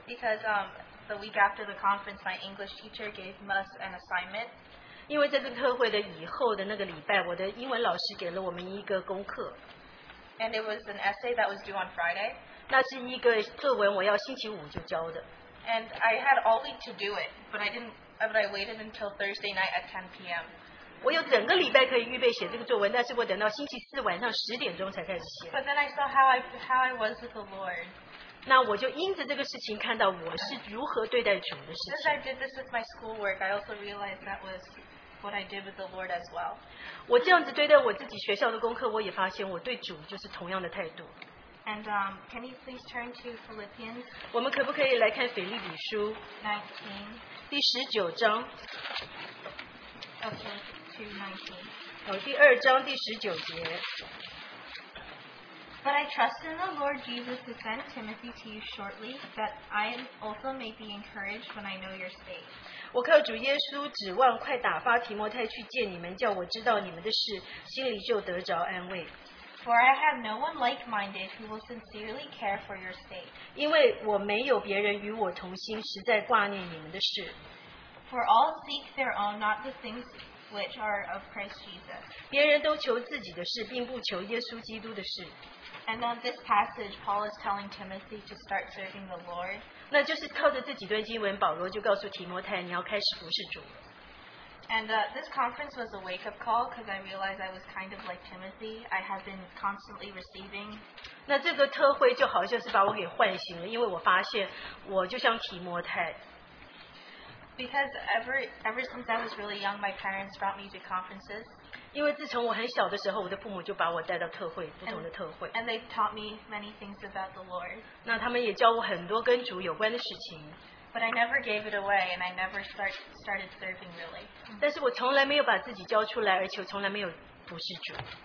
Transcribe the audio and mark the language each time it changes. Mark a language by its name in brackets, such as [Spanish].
[English] Because the week after the conference, my English teacher gave us an assignment. [Chinese] 因为在这个特会的以后的那个礼拜，我的英文老师给了我们一个功课。 [English] And it was an essay that was due on Friday. [Chinese] 那是一个作文，我要星期五就交的。 [English] And I had all week to do it, but I didn't. But I waited until Thursday night at 10 p.m. [Chinese] 我有整个礼拜可以预备写这个作文，但是我等到星期四晚上十点钟才开始写。 [English] But then I saw how I was with the Lord. [Chinese] 那我就因着这个事情看到我是如何对待主的事情。 [English] Since I did this with my schoolwork, I also realized that was what I did with the Lord as well. [Chinese] 我这样子对待我自己学校的功课，我也发现我对主就是同样的态度。 [English] And can you please turn to Philippians? [Chinese] 我们可不可以来看腓立比书 [English] 19. [Chinese] 第十九章 [English] Okay, [Chinese] 219. 第二章第十九节 [English] But I trust in the Lord Jesus who sent Timothy to you shortly, that I also may be encouraged when I know your state. [Chinese] 我靠主耶稣指望快打发提摩太去见你们，叫我知道你们的事，心里就得着安慰。 [English] For I have no one like-minded who will sincerely care for your state. [Chinese] 因为我没有别人与我同心，实在挂念你们的事。 [English] For all seek their own, not the things which are of Christ Jesus. [Chinese] 别人都求自己的事，并不求耶稣基督的事。 [English] And on this passage, Paul is telling Timothy to start serving the Lord. [Chinese] 那就是靠着这几段经文，保罗就告诉提摩太，你要开始服侍主。 [English] And this conference was a wake-up call because I realized I was kind of like Timothy. I have been constantly receiving. [Chinese] 那这个特会就好像是把我给唤醒了，因为我发现我就像提摩太。 [English] Because ever since I was really young, my parents brought me to conferences. [Chinese] 因为自从我很小的时候，我的父母就把我带到特会，不同的特会。 [English] And they taught me many things about the Lord. [Chinese] 那他们也教我很多跟主有关的事情。 [English] But I never gave it away, and I never started serving really. [Chinese] 但是我从来没有把自己交出来，而且我从来没有服侍主。